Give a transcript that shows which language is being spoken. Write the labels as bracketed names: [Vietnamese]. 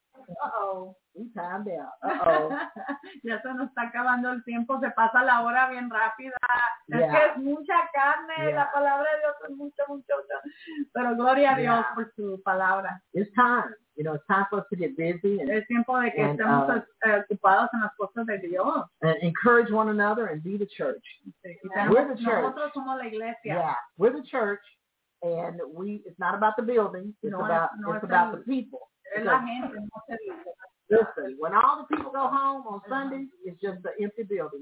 [English] Uh-oh. We timed out. Uh-oh. [Spanish] Ya se nos está acabando el tiempo. Se pasa la hora bien rápida. [English] Yeah. [Spanish] Es que es mucha carne. [English] Yeah. [Spanish] La palabra de Dios es mucho. Pero gloria a Dios por su palabra. [English] It's time. You know, it's time for us to get busy. [Spanish] Es tiempo de que estemos ocupados en las cosas de Dios. [English] And encourage one another and be the church. Yeah. We're the church. [Spanish] Nosotros somos la iglesia. [English] Yeah, we're the church. And it's not about the building, it's about the people. Because, listen, when all the people go home on Sunday, it's just an empty building.